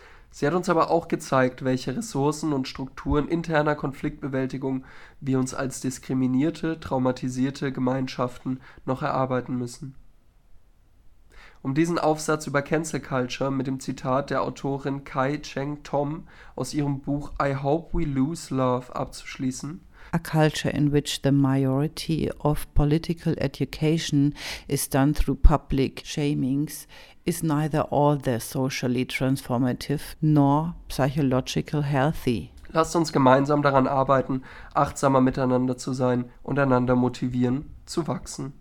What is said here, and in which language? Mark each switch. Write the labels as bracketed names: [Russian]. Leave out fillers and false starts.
[German] Sie hat uns aber auch gezeigt, welche Ressourcen und Strukturen interner Konfliktbewältigung wir uns als diskriminierte, traumatisierte Gemeinschaften noch erarbeiten müssen. Um diesen Aufsatz über Cancel Culture mit dem Zitat der Autorin Kai Cheng Tom aus ihrem Buch I Hope We Lose Love abzuschließen, [English] A culture in which the majority of political education is done through public shamings is neither all that socially transformative nor psychological healthy. [German] Lasst uns gemeinsam daran arbeiten, achtsamer miteinander zu sein und einander motivieren, zu wachsen.